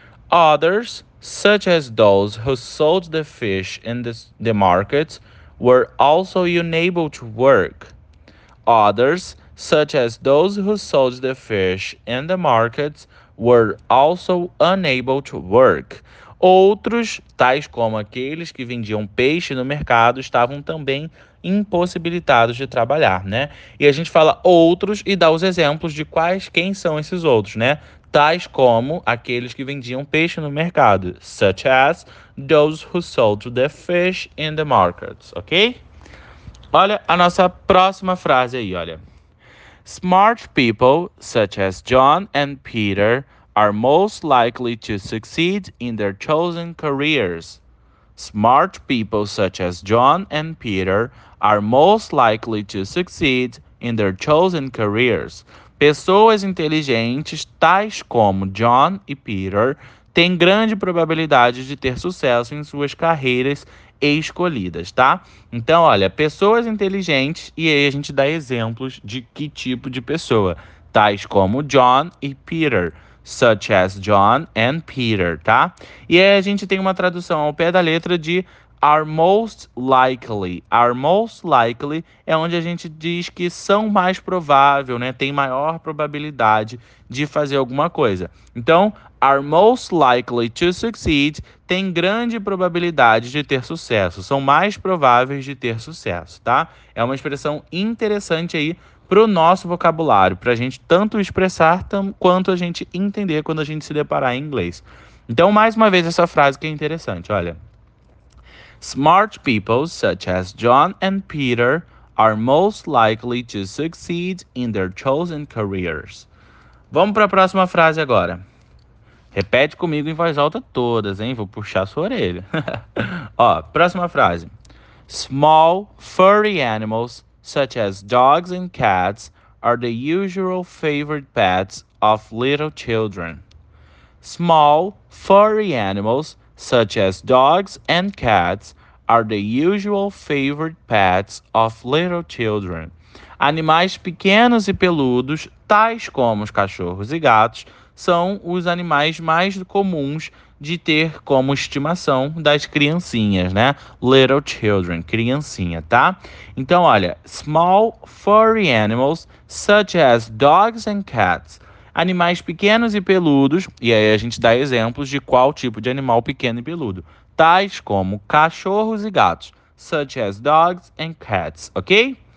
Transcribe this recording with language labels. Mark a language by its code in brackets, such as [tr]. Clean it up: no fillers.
[en] Others, such as those who sold the fish in the markets, were also unable to work. Others, such as those who sold the fish in the markets, were also unable to work. [pt] Outros, tais como aqueles que vendiam peixe no mercado, estavam também impossibilitados de trabalhar, né? E a gente fala outros e dá os exemplos de quais, quem são esses outros, né? Tais como aqueles que vendiam peixe no mercado, [en] such as those who sold the fish in the markets, ok? [pt] Olha a nossa próxima frase aí, olha. [en] Smart people, such as John and Peter, are most likely to succeed in their chosen careers. Smart people, such as John and Peter, are most likely to succeed in their chosen careers. [pt] Pessoas inteligentes, tais como John e Peter, têm grande probabilidade de ter sucesso em suas carreiras escolhidas, tá? Então, olha, pessoas inteligentes, e aí a gente dá exemplos de que tipo de pessoa, tais como John e Peter. [en] Such as John and Peter, [pt] tá? E aí a gente tem uma tradução ao pé da letra de [en] are most likely. Are most likely [pt] é onde a gente diz que são mais provável, né? Tem maior probabilidade de fazer alguma coisa. Então, [en] are most likely to succeed [pt] tem grande probabilidade de ter sucesso. São mais prováveis de ter sucesso, tá? É uma expressão interessante aí para o nosso vocabulário, para a gente tanto expressar quanto a gente entender quando a gente se deparar em inglês. Então, mais uma vez, essa frase que é interessante, olha. [en] Smart people, such as John and Peter, are most likely to succeed in their chosen careers. [pt] Vamos para a próxima frase agora. Repete comigo em voz alta todas, hein? Vou puxar a sua orelha. Ó, próxima frase. [en] Small, furry animals, such as dogs and cats, are the usual favorite pets of little children. Small, furry animals, such as dogs and cats, are the usual favorite pets of little children. [pt] Animais pequenos e peludos, tais como os cachorros e gatos, são os animais mais comuns de ter como estimação das criancinhas, né? [en] Little children, [pt] criancinha, tá? Então, olha, [en] small furry animals, such as dogs and cats, [pt] animais pequenos e peludos, e aí a gente dá exemplos de qual tipo de animal pequeno e peludo, tais como cachorros e gatos, [en] such as dogs and cats, [pt] ok?